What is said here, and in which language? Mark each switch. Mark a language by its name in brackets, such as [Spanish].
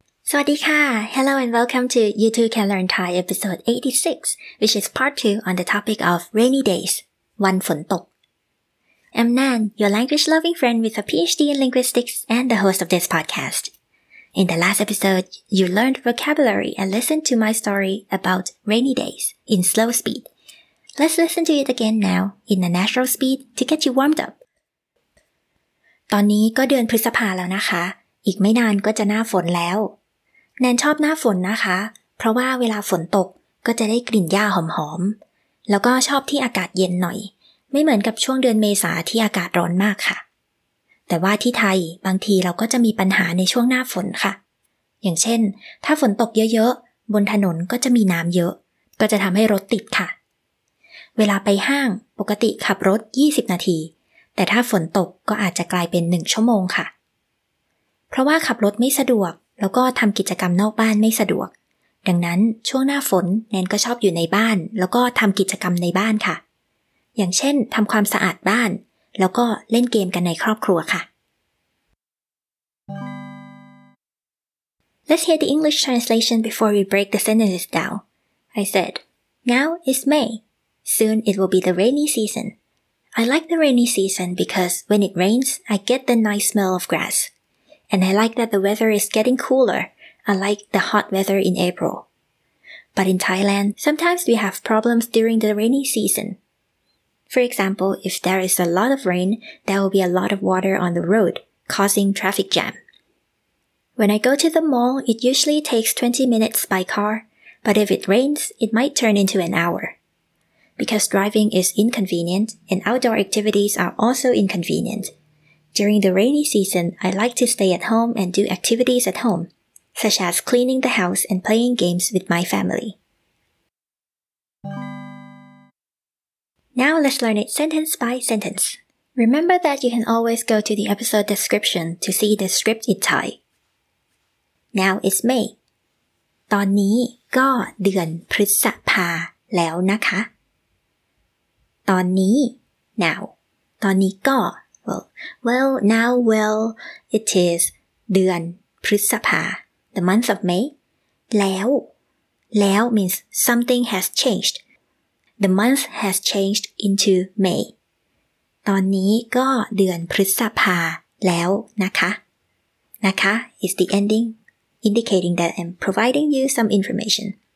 [Thai] สวัสดีค่ะ [English] Hello and welcome to You Too Can Learn Thai episode 86 which is part 2 on the topic of rainy days [Thai] วันฝนตก [English] I'm Nan, your language loving friend with a PhD in linguistics and the host of this podcast. In the last episode, you learned vocabulary and listened to my story about rainy days in slow speed. Let's listen to it again now in a natural speed to get you warmed up. [Thai] ตอนนี้ก็เดือนพฤษภาแล้วนะคะ อีกไม่นานก็จะหน้าฝนแล้ว แนนชอบหน้าฝนนะคะ เพราะว่าเวลาฝนตกก็จะได้กลิ่นหญ้าหอมๆ แล้วก็ชอบที่อากาศเย็นหน่อย ไม่เหมือนกับช่วงเดือนเมษาที่อากาศร้อนมากค่ะ แต่ว่าที่ไทยบางทีเราก็จะมีปัญหาในช่วงหน้าฝนค่ะ อย่างเช่นถ้าฝนตกเยอะๆ บนถนนก็จะมีน้ำเยอะ ก็จะทำให้รถติดค่ะ เวลาไปห้างปกติขับรถ 20 นาที แต่ถ้าฝนตกก็อาจจะกลายเป็น 1 ชั่วโมงค่ะ เพราะว่าขับรถไม่สะดวกแล้วก็ทำกิจกรรมนอกบ้านไม่สะดวก ดังนั้นช่วงหน้าฝนแนนก็ชอบอยู่ในบ้านแล้วก็ทำกิจกรรมในบ้านค่ะ อย่างเช่นทำความสะอาดบ้านแล้วก็เล่นเกมกันในครอบครัวค่ะ [English] Let's hear the English translation before we break the sentences down. I said, Now it's May. Soon it will be the rainy season. I like the rainy season because when it rains, I get the nice smell of grass. And I like that the weather is getting cooler, unlike the hot weather in April. But in Thailand, sometimes we have problems during the rainy season. For example, if there is a lot of rain, there will be a lot of water on the road, causing traffic jam. When I go to the mall, it usually takes 20 minutes by car, but if it rains, it might turn into an hour. Because driving is inconvenient, and outdoor activities are also inconvenient. During the rainy season, I like to stay at home and do activities at home, such as cleaning the house and playing games with my family. Now let's learn it sentence by sentence. Remember that you can always go to the episode description to see the script in Thai. Now it's May. [Thai] ตอนนี้ก็เดือนพฤษภาแล้วนะคะ. [English] ตอนนี้, now. [Thai] ตอนนี้ก็, [English] well, now, well, it is [Thai] เดือนพฤษภา, [English] the month of May. แล้ว, แล้ว means something has changed. The month has changed into May. [Thai] ตอนนี้ก็เดือนพฤษภาแล้วนะคะ. [English] นะคะ is the ending, indicating that I'm providing you some information.